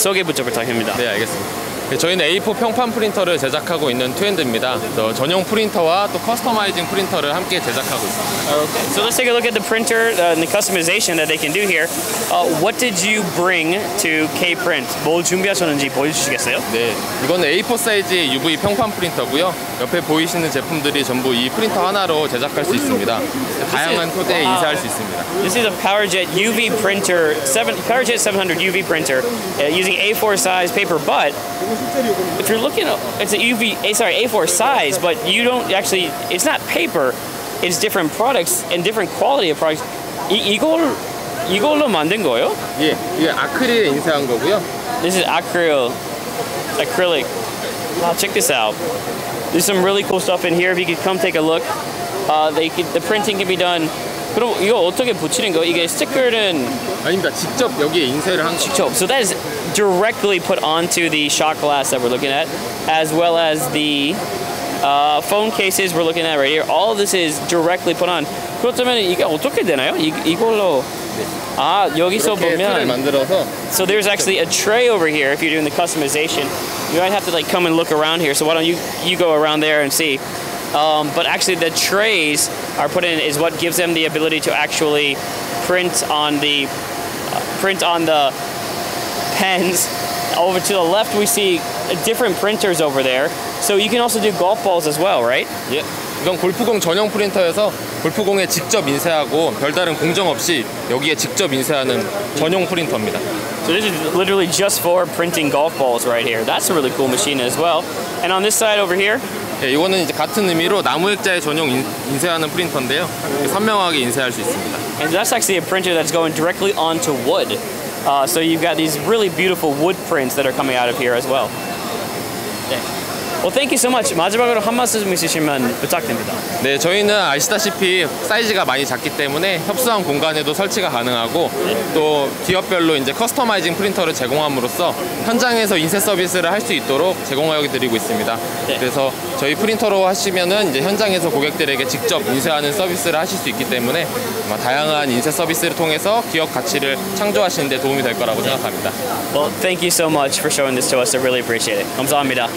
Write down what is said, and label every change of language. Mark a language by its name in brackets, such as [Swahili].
[Korean] 소개부터 부탁드립니다. 네, 알겠습니다. 네, 저희는 A4 평판 프린터를 제작하고 있는 투앤드입니다. 전용 프린터와 또 커스터마이징 프린터를 함께 제작하고 있습니다. [English] Okay. So let's take a look at the printer and the customization that they can do here. What did you bring to K-Print? [Korean] 뭘 준비하셨는지 보여주시겠어요? 네, 이건 A4 사이즈의 UV 평판 프린터고요. 옆에 보이시는 제품들이 전부 이 프린터 하나로 제작할 수 있습니다. 다양한 소재에 인쇄할 수 있습니다. [English] This is a Powerjet UV printer, Powerjet 700 UV printer using A4 size paper, but if you're looking, it's a UV, sorry, A4 size, but you don't actually, it's not paper, it's different products and different quality of products. [Korean] 이걸로 만든 거예요? 예, 이게 아크릴에 인쇄한 거고요. [English] This is acryl, acrylic. Wow, check this out. There's some really cool stuff in here. If you could come take a look, the printing can be done. [Korean] 그럼 이거 어떻게 붙이는 거? 이게 스티커는 아닙니다. 직접 여기에 인쇄를 한 직접. [English] 거. So that is directly put onto the shot glass that we're looking at, as well as the phone cases we're looking at right here. All of this is directly put on. [Korean] 그렇다면 이게 어떻게 되나요? 이걸로 아 여기서 보면 틀을 만들어서 [English] So there's actually a tray over here. If you're doing the customization, you might have to like come and look around here. So why don't you go around there and see? But actually the trays are put in is what gives them the ability to actually print on the pens. Over to the left we see different printers over there. So you can also do golf balls as well, right? Yeah. [Korean] 이건 골프공 전용 프린터여서 골프공에 직접 인쇄하고 별다른 공정 없이 여기에 직접 인쇄하는 전용 프린터입니다. [English] So this is literally just for printing golf balls right here. That's a really cool machine as well. And on this side over here, [Korean] 예, 이거는 이제 같은 의미로 나무 액자에 전용 인쇄하는 프린터인데요. 선명하게 인쇄할 수 있습니다. [English] And that's actually a printer that's going directly onto wood. So you've got these really beautiful wood prints that are coming out of here as well. 네. Well, thank you so much. [Korean] 마지막으로 한 말씀 있으시면 부탁드립니다. 네, 저희는 아시다시피 사이즈가 많이 작기 때문에 협소한 공간에도 설치가 가능하고 또 기업별로 이제 커스터마이징 프린터를 제공함으로써 현장에서 인쇄 서비스를 할 수 있도록 제공하여 드리고 있습니다. 네. 그래서 저희 프린터로 하시면은 이제 현장에서 고객들에게 직접 인쇄하는 서비스를 하실 수 있기 때문에 아마 다양한 인쇄 서비스를 통해서 기업 가치를 창조하시는 데 도움이 될 거라고 생각합니다. [English] Well, thank you so much for showing this to us. I really appreciate it. [Korean] 감사합니다.